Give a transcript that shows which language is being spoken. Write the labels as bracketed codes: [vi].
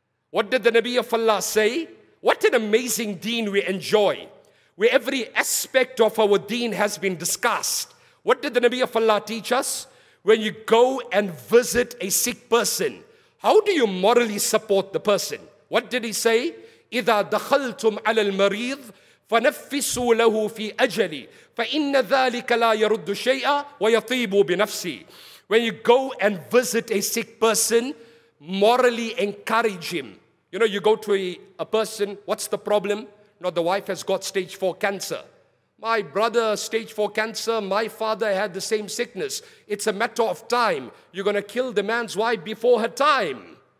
[en] What did the Nabi of Allah say? What an amazing deen we enjoy, where every aspect of our deen has been discussed. What did the Nabi of Allah teach us? When you go and visit a sick person, how do you morally support the person? What did he say? [ar] إِذَا دَخَلْتُمْ عَلَى الْمَرِيضِ فنفسوا له في أجلي فإن ذلك لا يرد شيئا ويطيب بنفسي. [en] When you go and visit a sick person, morally encourage him. You know, you go to a person, what's the problem? Not the wife has got stage 4 cancer. My brother, stage 4 cancer. My father had the same sickness. It's a matter of time. You're going to kill the man's wife before her time.